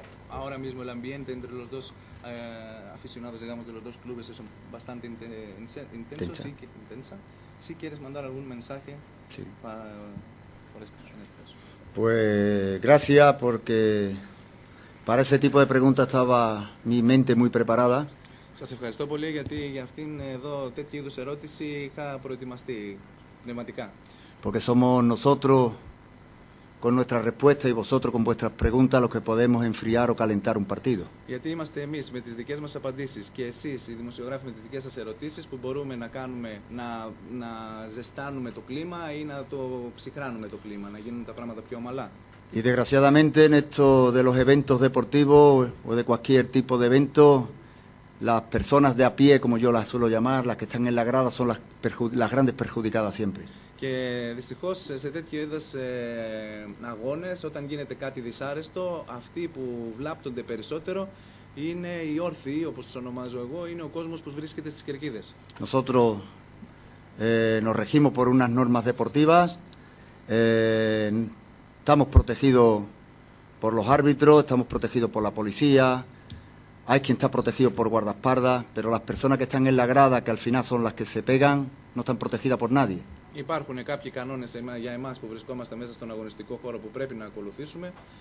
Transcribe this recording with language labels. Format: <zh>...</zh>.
<es>Ahora mismo el ambiente entre los dos aficionados, digamos, de los dos clubes es bastante intenso. Sí, que intensa. ¿Sí quieres mandar algún mensaje? Sí. Por esto, en este caso. Pues gracias, porque para ese tipo de preguntas estaba mi mente muy preparada.</es> <el>Σας ευχαριστώ πολύ γιατί για αυτήν εδώ τέτοιου είδους ερώτηση είχα προετοιμαστεί πνευματικά.</el> <es>Porque somos nosotros con nuestras respuestas y vosotros con vuestras preguntas los que podemos enfriar o calentar un partido.</es> <el>Γιατί είμαστε εμείς με τις δικές μας απαντήσεις και εσείς οι δημοσιογράφοι με τις δικές σας ερωτήσεις που μπορούμε να κάνουμε να ζεστάνουμε το κλίμα ή να το ψυχράνουμε το κλίμα, να γίνουν τα πράγματα πιο ομαλά.</el> <es>Y desgraciadamente en esto de los eventos deportivos o de cualquier tipo de evento las personas de a pie, como yo las suelo llamar, las que están en la grada, son las grandes perjudicadas siempre.</es> <el>Και δυστυχώς σε τέτοιου είδους αγώνες, όταν γίνεται κάτι δυσάρεστο, αυτοί που βλάπτονται περισσότερο είναι οι όρθιοι, όπως τους ονομάζω εγώ, είναι ο κόσμος που βρίσκεται στις κερκίδες.</el> <es>Nosotros nos regimos por unas normas deportivas, estamos protegidos por los árbitros, estamos protegidos por la policía, hay quien está protegido por guardaespaldas, pero las personas que están en la grada, que al final son las que se pegan, no están protegidas por nadie.</es> <el>Υπάρχουν κάποιοι κανόνες για εμάς που βρισκόμαστε μέσα στον αγωνιστικό χώρο που πρέπει να ακολουθήσουμε.</el>